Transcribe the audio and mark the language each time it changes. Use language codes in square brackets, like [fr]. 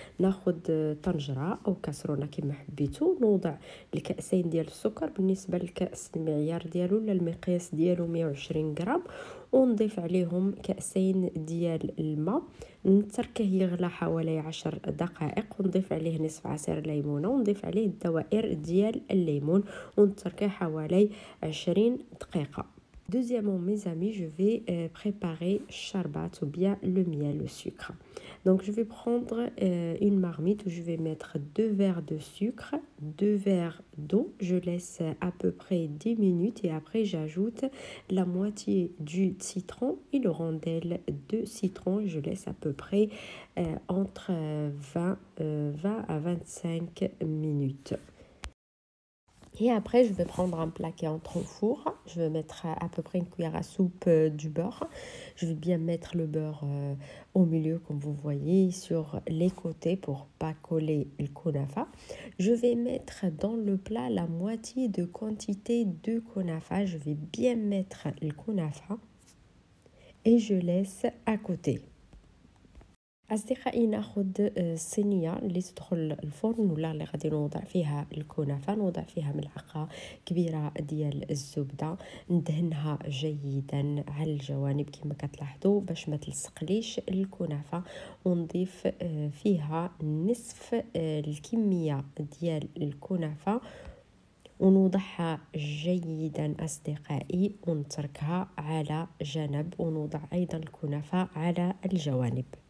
[ar] ناخذ طنجره او كسرونه كما حبيتو، نوضع الكاسين ديال السكر بالنسبه للكاس المعيار ديالو ولا المقياس ديالو 120 غرام، ونضيف عليهم كاسين ديال الماء، نتركه يغلى حوالي 10 دقائق، ونضيف عليه نصف عصير ليمونه، ونضيف عليه الدوائر ديال الليمون، ونتركه حوالي 20 دقيقة. [fr] Deuxièmement, mes amis, je vais préparer charbat ou bien le miel, le sucre. Donc, je vais prendre une marmite où je vais mettre 2 verres de sucre, 2 verres d'eau. Je laisse à peu près 10 minutes et après, j'ajoute la moitié du citron et le rondelle de citron. Je laisse à peu près entre 20 à 25 minutes. Et après, je vais prendre un plat qui entre au four. Je vais mettre à peu près une cuillère à soupe du beurre. Je vais bien mettre le beurre au milieu, comme vous voyez, sur les côtés pour pas coller le kunafa. Je vais mettre dans le plat la moitié de quantité de kunafa. Je vais bien mettre le kunafa et je laisse à côté. [ar] أصدقائي نأخذ الصينية اللي تدخل الفرن ولا اللي غادي نوضع فيها الكنافة. نوضع فيها ملعقة كبيرة ديال الزبدة، ندهنها جيدا على الجوانب كما كتلاحظوا باش ما تلصقليش الكنافة، ونضيف فيها نصف الكمية ديال الكنافة ونوضعها جيدا أصدقائي ونتركها على جنب، ونوضع أيضا الكنافة على الجوانب.